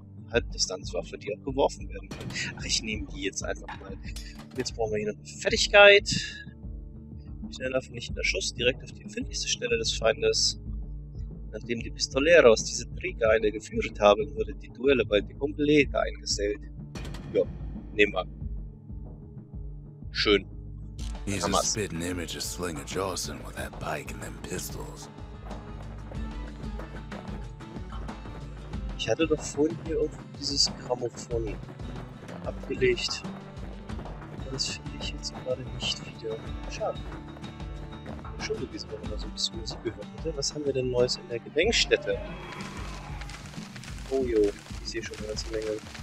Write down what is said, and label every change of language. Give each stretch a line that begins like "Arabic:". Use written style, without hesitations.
German: Halbdistanzwaffe, die auch geworfen werden kann. Ach, ich nehme die jetzt einfach mal. Jetzt brauchen wir hier eine Fertigkeit. Schneller vernichtender Schuss direkt auf die empfindlichste Stelle des Feindes. Nachdem die Pistoleros diese Träger eine geführt haben, wurde die Duelle bald die Komplette eingesellt. Jo, nehmen wir. Schön.
English: He's a spitting image of Slinger Jawson with that bike and them pistols.
German: Ich hatte doch vorhin hier irgendwo dieses Grammophon abgelegt. Das finde ich jetzt gerade nicht wieder. Schade. Schon gewesen, wenn man da so ein bisschen Musik gehört hätte. Was haben wir denn Neues in der Gedenkstätte? Oh jo, ich sehe schon eine ganze Menge.